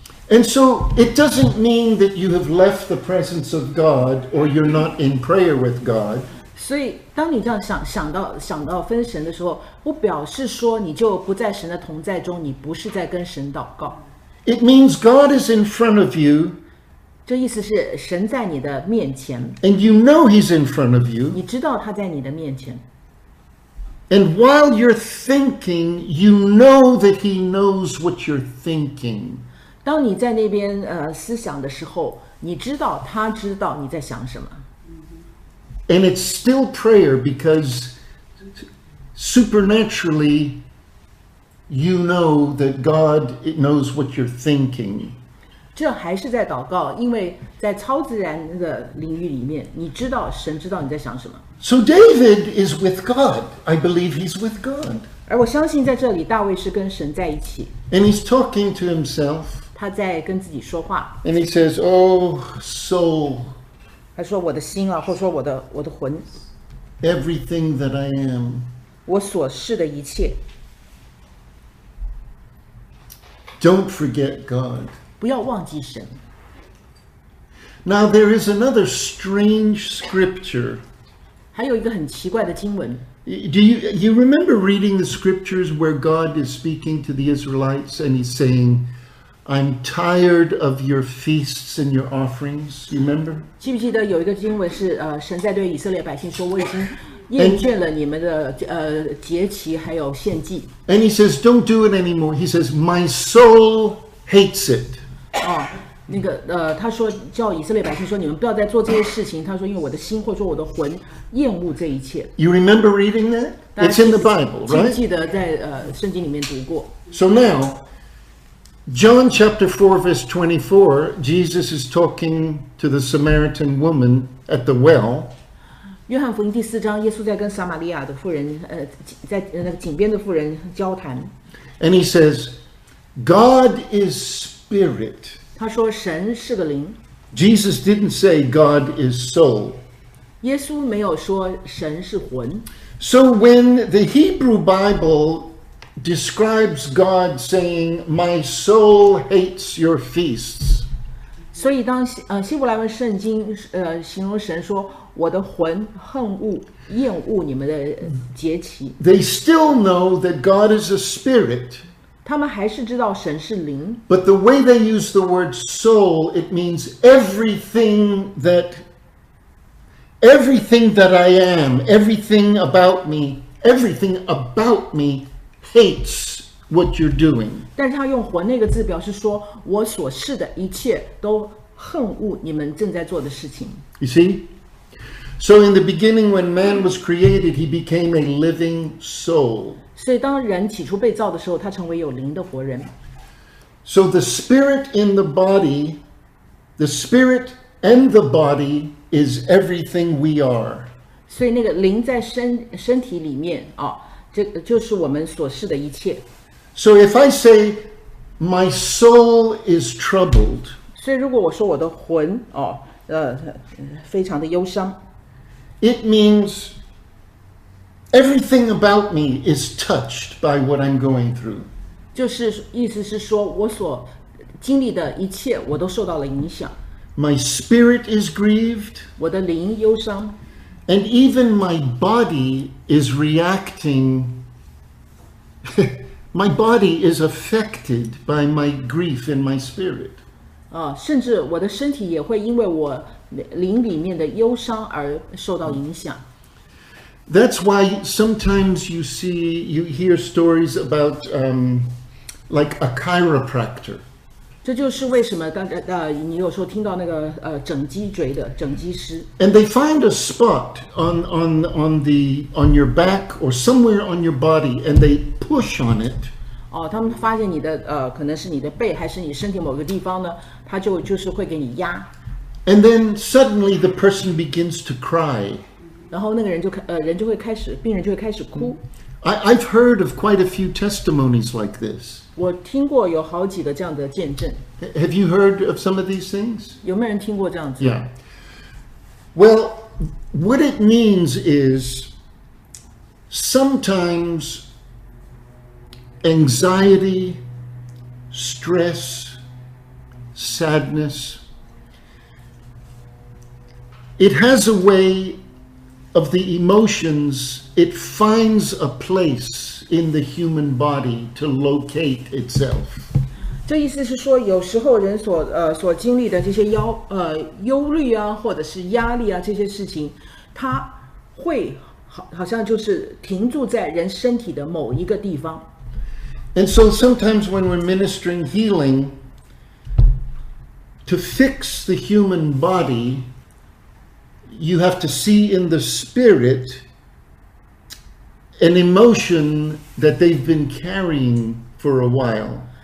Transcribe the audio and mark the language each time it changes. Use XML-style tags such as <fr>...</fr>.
<en>And so it doesn't mean that you have left the presence of God or you're not in prayer with God.</en> <zh>所以当你这样想到分神的时候，不表示说你就不在神的同在中，你不是在跟神祷告。</zh> <en>It means God is in front of you.</en> <zh>这意思是神在你的面前。</zh> <en>And you know he's in front of you.</en> <zh>你知道他在你的面前。</zh> <en>And while you're thinking, you know that he knows what you're thinking.</en> <zh>当你在那边思想的时候，你知道他知道你在想什么。</zh> <en>And it's still prayer because supernaturally you know that God knows what you're thinking.</en> <zh>这还是在祷告，因为在超自然的领域里面，你知道神知道你在想什么。</zh> <en>So David is with God. I believe he's with God.</en> <zh>而我相信在这里大卫是跟神在一起。</zh> <en>And he's talking to himself.</en> <zh>他在跟自己说话。</zh> <en>And he says, "Oh, soul."</en> <zh>他说我的心啊，或说我的魂。</zh> <en>Everything that I am.</en> <zh>我所是的一切。</zh> <en>Don't forget God.</en> <zh>不要忘记神。</zh> <en>Now there is another strange scripture.</en> <zh>还有一个很奇怪的经文。</zh> <en>Do you remember reading the scriptures where God is speaking to the Israelites and he's saying? I'm tired of your feasts and your offerings. You remember?</en> <zh>记不记得有一个经文是神在对以色列百姓说，我已经厌倦了你们的节期还有献祭。</zh> <en>And he says, "Don't do it anymore." He says, "My soul hates it."</en> <zh>哦，那个他说叫以色列百姓说，你们不要再做这些事情。他说，因为我的心或说我的魂厌恶这一切。</zh> <en>You remember reading that? It's in the Bible, right?</en> <zh>记得在圣经里面读过。</zh> <en>So now. John chapter 4, verse 24, Jesus is talking to the Samaritan woman at the well.</en> <zh>约翰福音第四章，耶稣在跟撒玛利亚的妇人，在那个井边的妇人交谈。</zh> <en>And he says, God is spirit.</en> <zh>他说神是个灵。</zh> <en>Jesus didn't say God is soul.</en> <zh>耶稣没有说神是魂。</zh> <en>So when the Hebrew Bible describes God saying, my soul hates your feasts.</en> <zh>所以当希伯来文圣经形容神说我的魂恨恶厌恶你们的节期。</zh> <en>They still know that God is a spirit.</en> <zh>他们还是知道神是灵。</zh> <en>But the way they use the word soul, it means everything that I am, everything about me hates what you're doing.</en> <zh>但是他用魂那个字表示说我所是的一切都恨恶你们正在做的事情。</zh> <en>You see? So in the beginning, when man was created, he became a living soul.</en> <zh>所以当人起初被造的时候，他成为有灵的活人。</zh> <en>So the spirit in the body, the spirit and the body is everything we are.</en> <zh>所以那个灵在身体里面啊，这就是我们所是的一切。</zh> <en>So if I say, my soul is troubled.</en> <zh>所以如果我说我的魂啊，非常的忧伤。</zh> <en>It means everything about me is touched by what I'm going through.</en> <zh>就是意思是说我所经历的一切我都受到了影响。</zh> <en>My spirit is grieved.</en> <zh>我的灵忧伤。</zh> <en>And even my body is reacting. My body is affected by my grief and my spirit.</en> <zh>甚至我的身体也会因为我灵里面的忧伤而受到影响。</zh> <en>That's why sometimes you hear stories about, like a chiropractor.</en> <zh>这就是为什么你有时候听到那个整脊椎的整脊师。</zh> <en>And they find a spot on your back or somewhere on your body, and they push on it.</en> <zh>他们发现你的可能是你的背还是你身体某个地方呢，他就是会给你压。</zh> <en>And then suddenly the person begins to cry.</en> <zh>然后那个人就人就会开始病人就会开始哭。</zh> <en>I've heard of quite a few testimonies like this.</en> <zh>我听过有好几个这样的见证。</zh> <en>Have you heard of some of these things?</en> <zh>有没有人听过这样子？</zh> <en>Yeah. Well, what it means is sometimes anxiety, stress, sadness. It has a way of the emotions, it finds a place in the human body to locate itself.</en> <zh>这意思是说有时候人所经历的这些忧虑啊或者是压力啊这些事情它会 好像就是停住在人身体的某一个地方。</zh> <en>And so sometimes when we're ministering healing, to fix the human body,You have to see in the spirit an emotion that they've been carrying for a while.</en>